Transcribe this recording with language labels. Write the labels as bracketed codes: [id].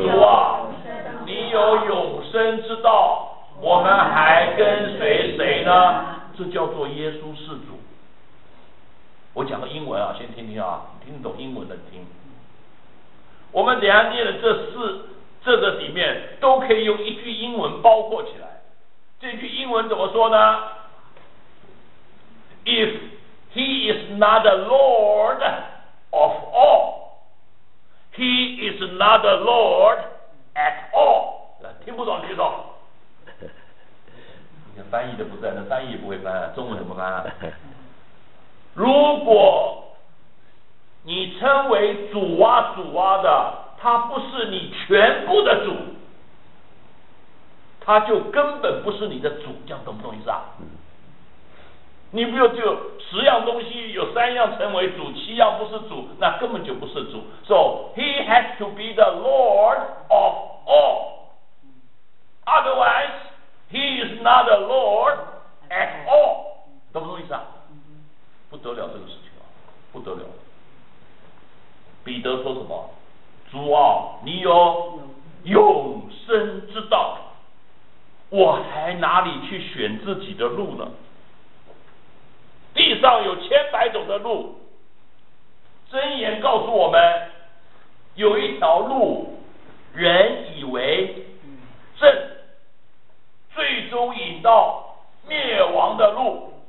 [zh] 主啊，你有永生之道，我们还跟随谁呢？这叫做耶稣是主。我讲个英文啊，先听听啊，听懂英文的听。我们等一下念的这四这个里面都可以用一句英文包括起来。这句英文怎么说呢？ [en] If he is not the Lord of all, he is not the Lord at all。 [zh] 听不懂举手。你看翻译的不在，那翻译也不会翻，中文怎么翻？如果你称为主啊主啊的，他不是你全部的主，他就根本不是你的主，这样懂不懂意思啊？你不就十样东西有三样成为主，七样不是主，那根本就不是主。 [en] So he has to be the Lord of all, otherwise he is not the Lord at all, [zh] 懂不懂意思啊？不得了，这个事情啊，不得了。彼得说什么？主啊，你有永生之道，我还哪里去选自己的路呢？地上有千百种的路，箴言告诉我们，有一条路人以为正，最终引到灭亡的路。